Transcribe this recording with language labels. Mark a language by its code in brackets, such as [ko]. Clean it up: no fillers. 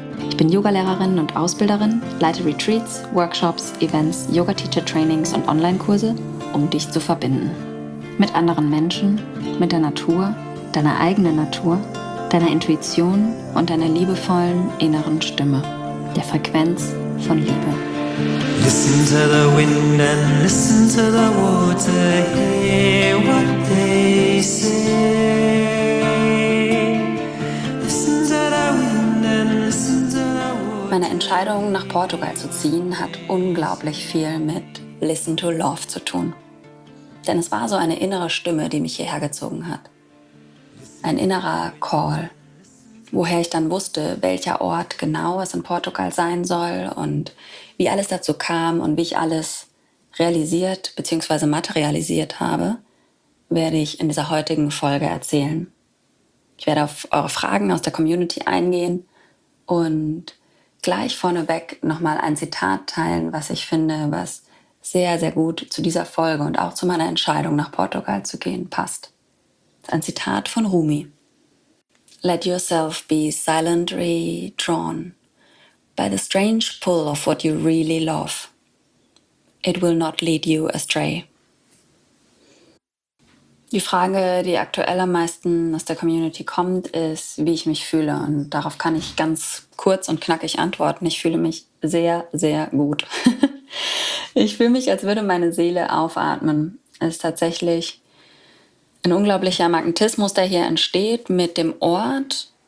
[de] Ich bin Yogalehrerin und Ausbilderin, leite Retreats, Workshops, Events, Yoga-Teacher-Trainings und Online-Kurse, um dich zu verbinden. Mit anderen Menschen, mit der Natur, deiner eigenen Natur, deiner Intuition und deiner liebevollen inneren Stimme, der Frequenz von Liebe. [en] Listen to the wind and listen to the water, hear what they say. Listen to the wind and listen to the water. [de] Meine Entscheidung, nach Portugal zu ziehen, hat unglaublich viel mit Listen to Love zu tun. Denn es war so eine innere Stimme, die mich hierher gezogen hat. Ein innerer Call, woher ich dann wusste, welcher Ort genau es in Portugal sein soll und wie alles dazu kam und wie ich alles realisiert bzw. materialisiert habe, werde ich in dieser heutigen Folge erzählen. Ich werde auf eure Fragen aus der Community eingehen und gleich vorneweg nochmal ein Zitat teilen, was ich finde, was sehr, sehr gut zu dieser Folge und auch zu meiner Entscheidung, nach Portugal zu gehen, passt. Ein Zitat von Rumi. [en] Let yourself be silently drawn by the strange pull of what you really love. It will not lead you astray. [de] Die Frage, die aktuell am meisten aus der Community kommt, ist, wie ich mich fühle. Und darauf kann ich ganz kurz und knackig antworten. Ich fühle mich sehr, sehr gut. Ich fühle mich, als würde meine Seele aufatmen. Es ist tatsächlich ein unglaublicher Magnetismus, der hier entsteht mit dem Ort.